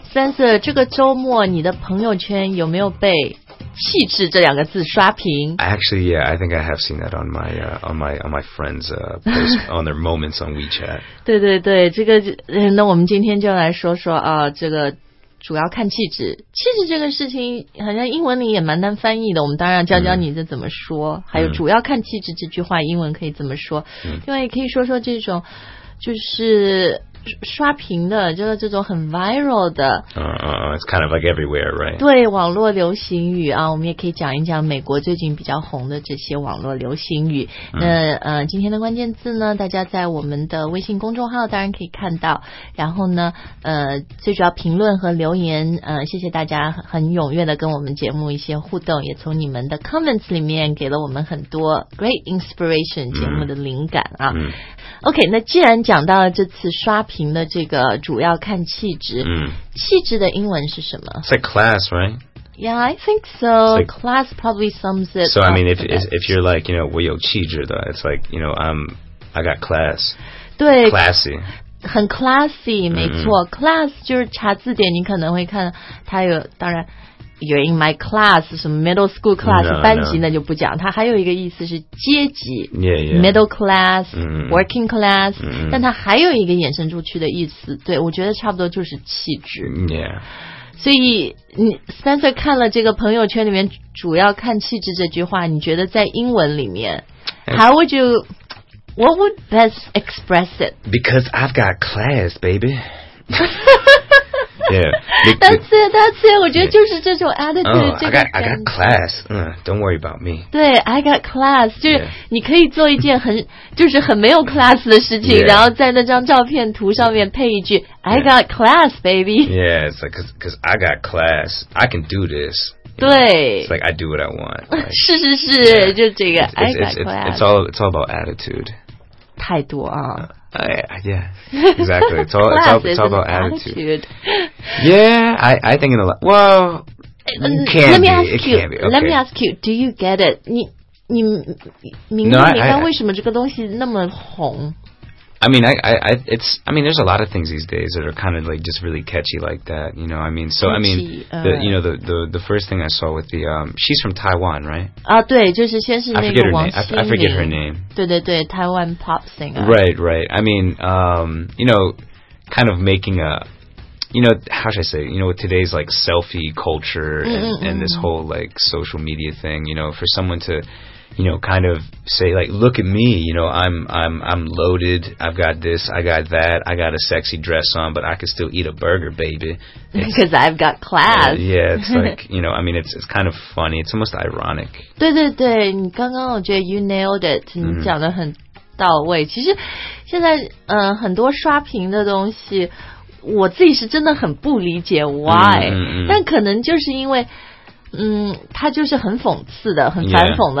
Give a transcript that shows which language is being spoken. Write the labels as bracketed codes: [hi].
[zh] Spencer, 这个周末你的朋友圈有没有被气质这两个字刷屏？ [en] Actually, yeah, I think I have seen that on my friends, post on their moments on WeChat. [zh] 对对对，这个，那我们今天就来说说啊，这个主要看气质。气质这个事情好像英文里也蛮难翻译的，我们当然教教你这怎么说，还有主要看气质这句话英文可以怎么说。另外也可以说说这种就是刷屏的，就是这种很 viral 的。 [en] It's kind of like everywhere, right? [zh] 对，网络流行语啊，我们也可以讲一讲美国最近比较红的这些网络流行语。那今天的关键字呢，大家在我们的微信公众号当然可以看到。然后呢，最主要评论和留言，谢谢大家很踊跃的跟我们节目一些互动，也从你们的 comments 里面给了我们很多 [en] great inspiration [zh] 节目的灵感啊。 OK, 那既然讲到了这次刷屏的这个主要看气质，气质的英文是什么？ [en] It's like class, right? Yeah, I think so. Like, class probably sums it up. So, I mean, if you're like, you know, [zh] 我有气质的, [en] it's like, you know, I got class. [zh] 对, [en] classy. [zh] 很 classy, 没错。 Class 就是查字典，你可能会看它有，当然 [en] you're in my class, [zh] 什么 [en] middle school class, no, [zh] 班级那就不讲。它还有一个意思是阶级 [en] yeah, yeah. middle class, working class, [zh] 但它还有一个衍生出去的意思，对，我觉得差不多就是气质。所以你 Spencer 看了这个朋友圈里面主要看气质这句话，你觉得在英文里面 [en] how would you... What would best express it? Because I've got class, baby. That's it, that's it. [zh] 我觉得就是这种 attitude. [en] I got class. Don't worry about me. 对, I got class. [zh] 就是你可以做一件很就是很没有 class 的事情，然后在那张照片图上面配一句 [en] I got class, baby. Yeah, it's like, because I got class. I can do this. [zh] 对 [en] It's like I do what I want like, [zh] 是是是、yeah. 就这个 [en] it's all about attitude [zh] 态度啊、 [en] Exactly it's all about attitude Yeah I think in a lot Well Let me ask you Do you get it [zh] 你明白你刚为什么这个东西那么红 [en] I mean there's a lot of things these days that are kind of like just really catchy like that, you know, I mean, so, I mean, the, you know, the first thing I saw with the, she's from Taiwan, right? [zh] 啊对就是先是那个王心凌 [en] I forget her name. [zh] 对对对 [en] Taiwan pop singer. Right, right. I mean, you know, kind of making a, you know, how should I say, you know, with today's like selfie culture and this whole like social media thing, you know, for someone to... You know, kind of say like, look at me. You know, I'm loaded. I've got this. I got that. I got a sexy dress on, but I can still eat a burger, baby. Because I've got class. Yeah, it's like you know. I mean, it's kind of funny. It's almost ironic. [zh] 对对对，你刚刚我觉得 [en] you nailed it. [zh] 你讲得很到位。其实现在很多刷屏的东西，我自己是真的很不理解 why. 但可能就是因为。他就是很讽刺的很反讽的、